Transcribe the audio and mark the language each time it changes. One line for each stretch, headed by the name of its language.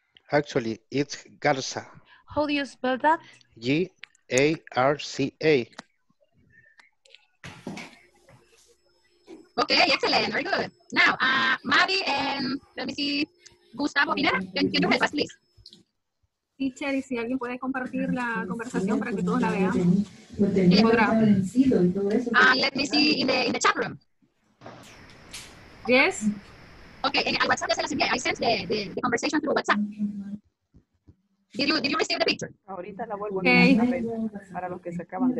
English: Actually, it's Garza. How do you spell that? Garca. Okay, excellent. Very good. Now, Mavi and let me see, Gustavo Pineda, can you help us, please?
Spanish: teacher, y si alguien puede compartir la conversación para que todos la vean.
English: Let me see in the chat room. Yes. Okay, and WhatsApp, I sent the conversation through WhatsApp. Did you receive the picture?
Spanish: Ahorita la vuelvo a enviar para los que se acaban de